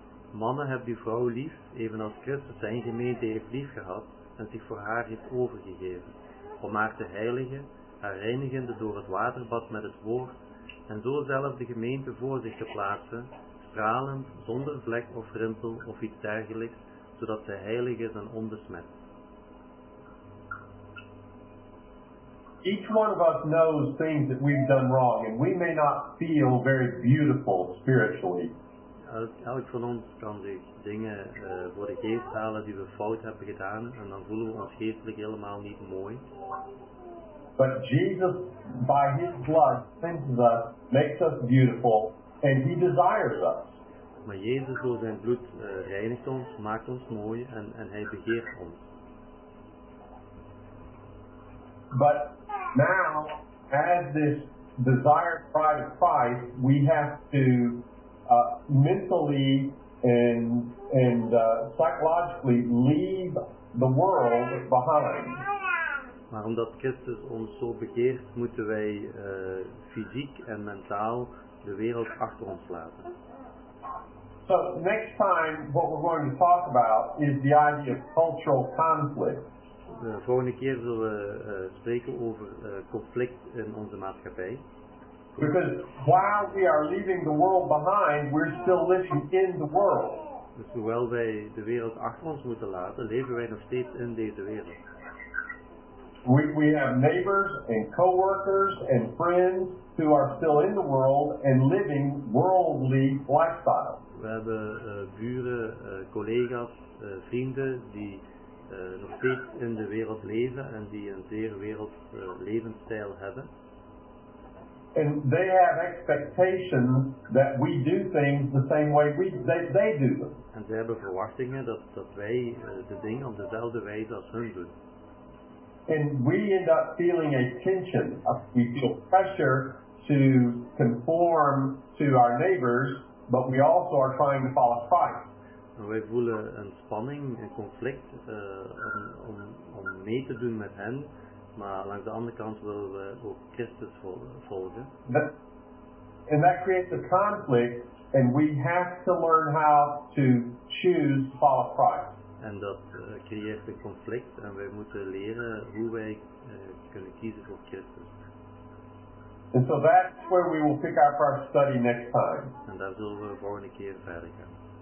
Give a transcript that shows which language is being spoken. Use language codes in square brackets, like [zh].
[nl] Mannen, hebt uw vrouw lief, evenals Christus zijn gemeente heeft lief gehad en zich voor haar heeft overgegeven, om haar te heiligen, haar reinigende door het waterbad met het woord, en zo zelf de gemeente voor zich te plaatsen, stralend, zonder vlek of rimpel of iets dergelijks, zodat zij heilig is en onbesmet. [en] Each one of us knows things that we've done wrong, and we may not feel very beautiful spiritually. [nl] Elk van ons kan zich dingen voor de geest halen die we fout hebben gedaan, en dan voelen we ons geestelijk helemaal niet mooi. [en] But Jesus, by his blood, cleanses us, makes us beautiful, and he desires us. [nl] Maar Jezus door zijn bloed reinigt ons, maakt ons mooi, en hij begeert ons. [en] But now, as this desired bride of Christ, we have to mentally and psychologically leave the world behind. [nl] Maar omdat Christus ons zo begeert, moeten wij fysiek en mentaal de wereld achter ons laten. [en] So next time, what we're going to talk about is the idea of cultural conflict. [nl] De volgende keer zullen we spreken over conflict in onze maatschappij. [en] Because while we are leaving the world behind, we're still living in the world. [nl] Dus hoewel wij de wereld achter ons moeten laten, leven wij nog steeds in deze wereld. [en] We have neighbors and co-workers and friends who are still in the world and living worldly lifestyles. [nl] We hebben buren, collega's, vrienden die nog steeds in de wereld leven en die een zeer wereld levensstijl hebben. [en] And they have expectations that we do things the same way they do them. [nl] En ze hebben verwachtingen dat wij de dingen op dezelfde wijze als hun doen. [en] And we end up feeling a tension. We feel pressure to conform to our neighbors, but we also are trying to follow Christ. [nl] Wij voelen een spanning, een conflict om mee te doen met hen, maar langs de andere kant willen we ook Christus volgen. [en] And that creates a conflict, and we have to learn how to choose to follow Christ. [nl] En dat creëert een conflict, en wij moeten leren hoe wij kunnen kiezen voor Christus. [en] And so that's where we will pick up our study next time. [nl] En daar zullen we de volgende keer verder gaan.